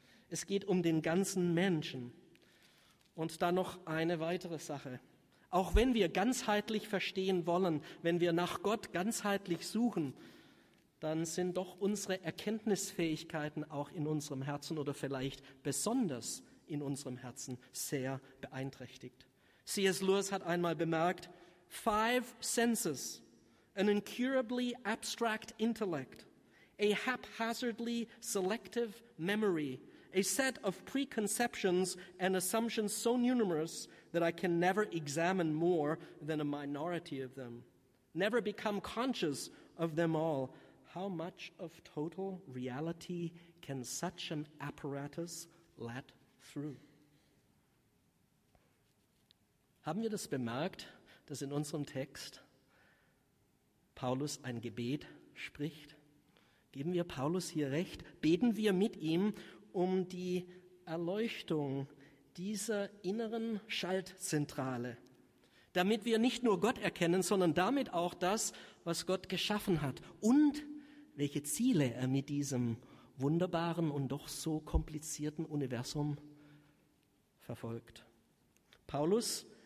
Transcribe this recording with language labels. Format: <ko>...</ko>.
<de>Es geht um den ganzen Menschen. Und dann noch eine weitere Sache. Auch wenn wir ganzheitlich verstehen wollen, wenn wir nach Gott ganzheitlich suchen, dann sind doch unsere Erkenntnisfähigkeiten auch in unserem Herzen oder vielleicht besonders in unserem Herzen sehr beeinträchtigt. C.S.</de> <en>Lewis</en> <de>hat einmal bemerkt:</de> <en>5 senses, an incurably abstract intellect, a haphazardly selective memory, a set of preconceptions and assumptions so numerous that I can never examine more than a minority of them, never become conscious of them all. How much of total reality can such an apparatus let through?</en> <de>Haben wir das bemerkt, dass in unserem Text Paulus ein Gebet spricht? Geben wir Paulus hier recht? Beten wir mit ihm um die Erleuchtung dieser inneren Schaltzentrale, damit wir nicht nur Gott erkennen, sondern damit auch das, was Gott geschaffen hat und welche Ziele er mit diesem wunderbaren und doch so komplizierten Universum verfolgt. Paulus</de>